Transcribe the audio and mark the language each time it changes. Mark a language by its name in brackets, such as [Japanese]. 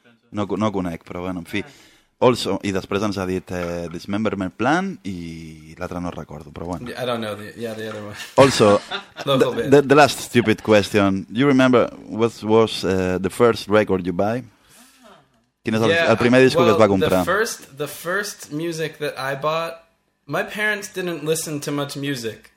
[Catalan] No conec, però bueno, en fi. Also, i després ens ha dit Dismemberment Plan i l'altre no recordo, però bueno. [English] I don't know, the other one. Also, the last stupid question. You remember what was the first record you buy? [Catalan] Quin és el primer disc que es va comprar? [English] The first music that I bought, my parents didn't listen to much music.